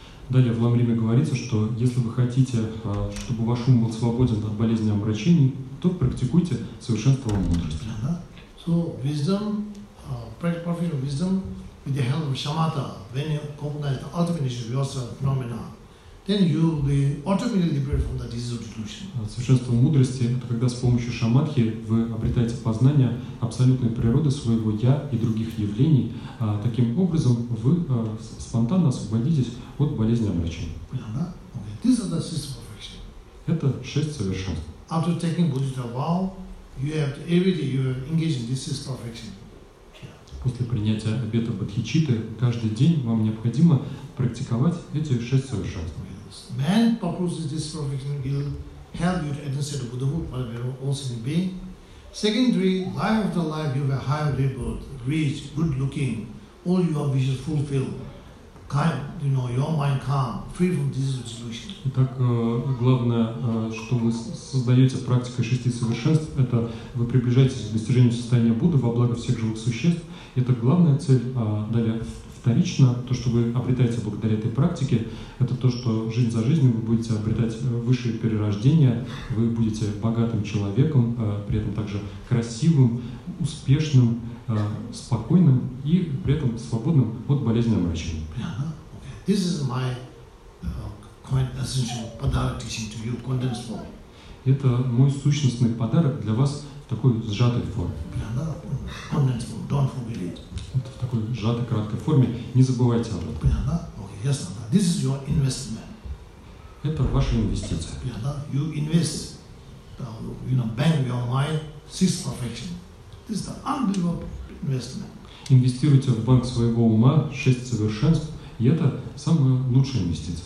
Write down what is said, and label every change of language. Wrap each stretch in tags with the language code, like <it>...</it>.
<ru>Далее в Ламриме говорится, что если вы хотите, чтобы ваш ум был свободен от болезни и омрачений, то практикуйте совершенство мудрости.</ru> <en>So wisdom, practice perfection of wisdom with the help of shamatha, when you recognize the ultimate nature of yourself, phenomena, then you will be automatically liberated from the disease of delusion.</en> <ru>Совершенство мудрости – это когда с помощью шаматхи вы обретаете познание абсолютной природы своего «я» и других явлений. Таким образом, вы спонтанно освободитесь от болезни омрачения. Понятно?</ru> <en>Okay. These are the six perfection.</en> <ru>Это шесть совершенств.</ru> <en>After taking Buddhist vow, you have to, every day you are engaged in this is perfection.</en> <ru>После принятия обета бодхичитты каждый день вам необходимо практиковать эти шесть совершенств.</ru> <en>Man proposes this perfection will help you to enter the Buddhahood while we are also in being. Secondly, life after life you have a higher rebirth, rich, good looking, all your wishes fulfilled. Kind, you know, your mind calm, free from disease of delusion.</en> <ru>Итак, главное, что вы создаете практикой шести совершенств, это вы приближаетесь к достижению состояния Будды во благо всех живых существ. Это главная цель. Далее, вторично, то, что вы обретаете благодаря этой практике, это то, что жизнь за жизнью вы будете обретать высшие перерождения, вы будете богатым человеком, при этом также красивым, успешным, спокойным и при этом свободным от болезни омрачения.</ru> <en>This is my quite essential подарок teaching to you, condensed form.</en> <ru>Это мой сущностный подарок для вас в такой сжатой форме.</ru> <en>Condensed form, don't forget it.</en> <ru>Это в такой сжатой, краткой форме. Не забывайте об этом.</ru> <en>Okay, yes, this is your investment.</en> <ru>Это ваша инвестиция.</ru> <en>You invest, you know, bank your mind, six perfection. This is the unbelievable investment.</en> <ru>Инвестируйте в банк своего ума шесть совершенств. И это самая лучшая инвестиция.</ru>